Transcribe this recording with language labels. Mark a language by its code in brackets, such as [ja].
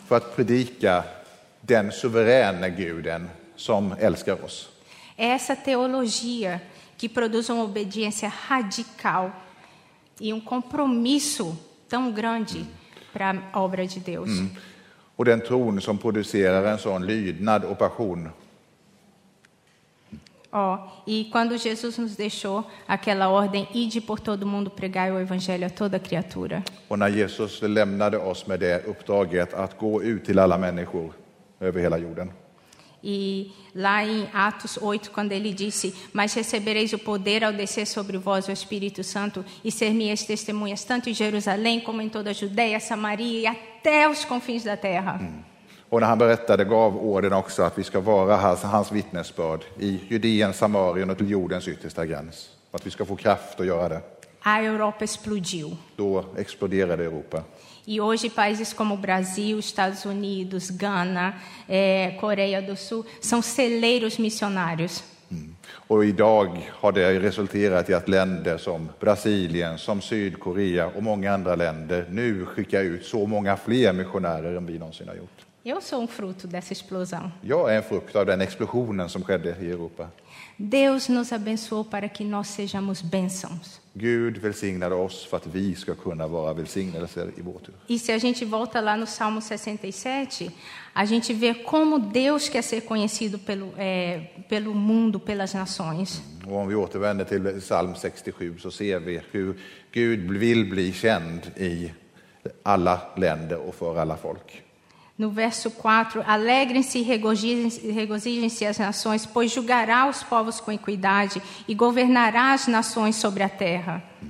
[sv] För att predika den suveräna guden som älskar oss. [pt] Essa teologia que produz uma obediência radical e um compromisso tão grande para a obra de Deus. [sv] Och den tron som producerar en sån lydnad och passion. [pt] E quando Jesus nos deixou aquela ordem, ide por todo mundo pregar o evangelho a toda criatura. [sv] Och när Jesus lämnade oss med det uppdraget att gå ut till alla människor över hela jorden. [pt] E lá em Atos 8, quando ele disse, mas recebereis o poder ao descer sobre vós o Espírito Santo e ser-me-eis testemunhas tanto em Jerusalém como em toda a Judeia, Samaria e até os confins da terra. [sv] Och när han berättade gav orden också att vi ska vara hans vittnesbörd i Judeen, Samarien och till jordens yttersta gräns. Att vi ska få kraft att göra det. [pt] A Europa explodiu. [sv] Då exploderade Europa. [pt] E hoje países como Brasil, Estados Unidos, Ghana, Coreia do Sul são celeiros missionários. [sv] Och idag har det resulterat i att länder som Brasilien, som Sydkorea och många andra länder nu skickar ut så många fler missionärer än vi någonsin har gjort. Jag såg en frukt av dessa explosion. Jag är en frukt av den explosionen som skedde i Europa. [pt] Deus nos abençoou para que nós sejamos bênçãos. [sv] Gud välsignade oss för att vi ska kunna vara välsignade i vår tur. [pt] E se a gente volta lá no Salmo 67, a gente vê como Deus quer ser conhecido pelo pelo mundo, pelas nações. [sv] Och om vi återvänder till Psalm 67 så ser vi hur Gud vill bli känd i alla länder och för alla folk. [pt] No verso 4, alegrem-se e regozijem-se as nações, pois julgará os povos com equidade e governará as nações sobre a terra.